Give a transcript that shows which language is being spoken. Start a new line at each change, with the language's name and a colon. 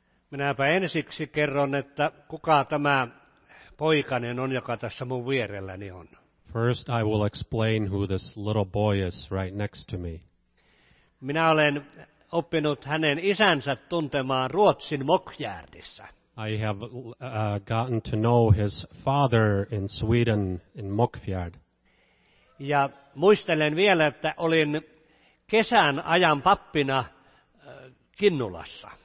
Finnish: Minäpä ensiksi kerron, että kuka tämä poikanen on, joka tässä mun vierelläni on.
English: First I will explain who this little boy is right next to me.
Finnish: Minä olen oppinut hänen isänsä tuntemaan Ruotsin Mockfjärdissä.
English: I have gotten to know his father in Sweden, in Mockfjärd.
Finnish: Ja muistelen vielä, että olin kesän ajan pappina Kinnulassa.